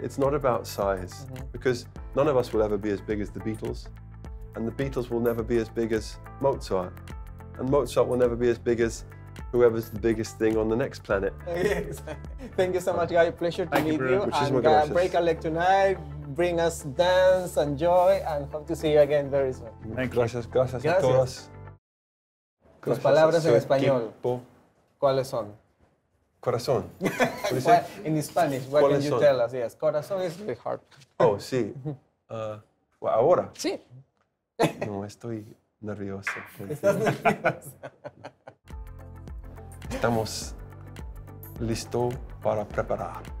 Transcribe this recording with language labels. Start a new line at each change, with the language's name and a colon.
English: It's not about size, because none of us will ever be as big as the Beatles, and the Beatles will never be as big as Mozart, and Mozart will never be as big as whoever's the biggest thing on the next planet. Thank you so much, guys. Pleasure to meet you. Which is and break a leg tonight, bring us dance and joy, and hope to see you again very soon. Thank
Spanish: gracias,
English: you.
Spanish: Gracias, gracias a todos. Tus palabras en español. ¿Cuáles son? Corazón.
English: In Spanish, what can you tell us? Yes, corazón is the heart.
Spanish: Oh, sí. ¿Ahora? Sí. No, estoy nervioso. ¿Estás nervioso? Estamos listos para preparar